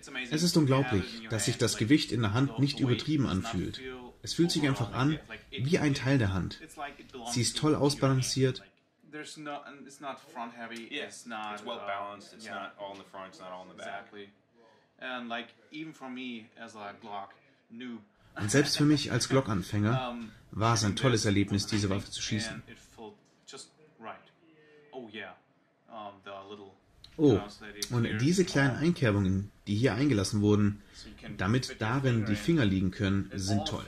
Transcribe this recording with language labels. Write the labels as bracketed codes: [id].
[de] Es ist unglaublich, dass sich das Gewicht in der Hand nicht übertrieben anfühlt. Es fühlt sich einfach an wie ein Teil der Hand. Sie ist toll ausbalanciert. [en] There's no, it's not front heavy. Yeah, it's not. It's well balanced. It's not all in the front. It's not all in the back. Exactly. And like even for me as a Glock noob. Und selbst für mich als Glock-Anfänger war es ein tolles Erlebnis, diese Waffe zu schießen. It felt just right. Oh yeah. The little. Oh. [de] Und diese kleinen Einkerbungen, die hier eingelassen wurden, damit darin die Finger liegen können, sind toll.